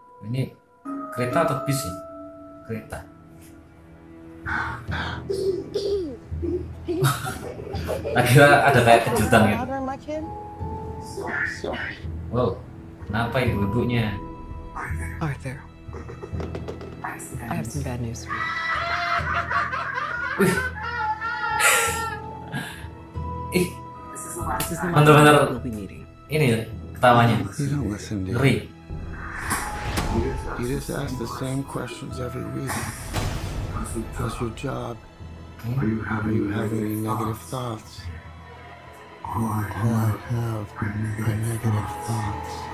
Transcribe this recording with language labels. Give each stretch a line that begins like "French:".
Indonesian: Ini kereta atau bis sih? Kereta. Akhirnya ada kayak kejutan gitu. Wow, kenapa ibu-ibunya?
English: Arthur, I have some bad news.
Indonesian: Bener-bener ini ketawanya. Ngeri.
English: You just ask the same questions every week. How's your job? Are you having any negative thoughts? I have negative thoughts.